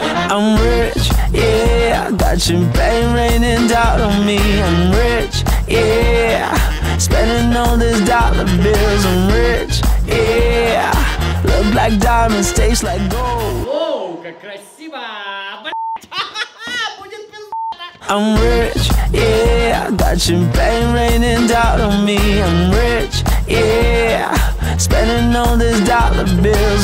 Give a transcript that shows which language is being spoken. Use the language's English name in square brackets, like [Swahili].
[English] I'm rich, yeah, got champagne raining down on me. I'm rich, yeah, spending all these dollar bills. I'm rich, yeah, look like diamonds, taste like gold. [Russian] Оу, как красиво, будет пиздец. [English] I'm rich, yeah, got champagne raining down on me. I'm rich, yeah, spending all these dollar bills.